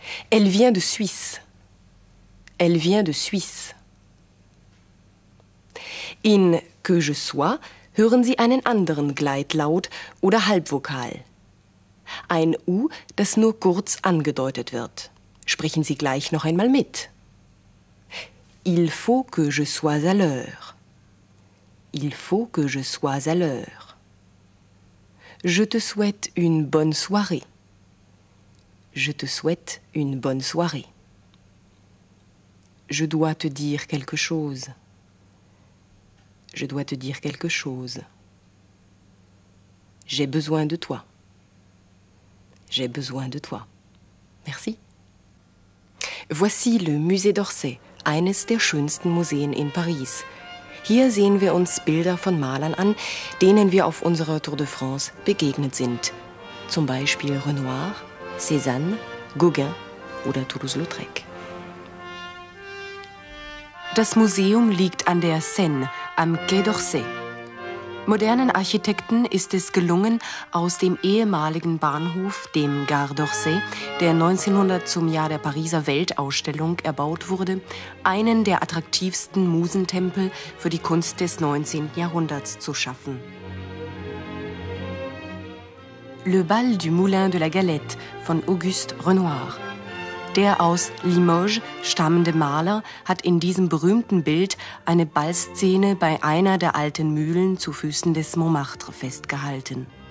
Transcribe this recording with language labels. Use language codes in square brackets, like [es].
[fr] Elle vient de Suisse. Elle vient de Suisse. [de] In [fr] que je sois, [de] hören Sie einen anderen Gleitlaut oder Halbvokal. Ein U, das nur kurz angedeutet wird. Sprechen Sie gleich noch einmal mit. [fr] Il faut que je sois à l'heure. Il faut que je sois à l'heure. Je te souhaite une bonne soirée. Je te souhaite une bonne soirée. Je dois te dire quelque chose. Je dois te dire quelque chose. J'ai besoin de toi. J'ai besoin de toi. Merci. Voici le musée d'Orsay, [de] eines der schönsten Museen in Paris. Hier sehen wir uns Bilder von Malern an, denen wir auf unserer Tour de France begegnet sind. Zum Beispiel Renoir, Cézanne, Gauguin oder Toulouse-Lautrec. Das Museum liegt an der Seine, am Quai d'Orsay. Modernen Architekten ist es gelungen, aus dem ehemaligen Bahnhof, dem Gare d'Orsay, der 1900 zum Jahr der Pariser Weltausstellung erbaut wurde, einen der attraktivsten Musentempel für die Kunst des 19. Jahrhunderts zu schaffen. Le Bal du Moulin de la Galette von Auguste Renoir. Der aus Limoges stammende Maler hat in diesem berühmten Bild eine Ballszene bei einer der alten Mühlen zu Füßen des Montmartre festgehalten.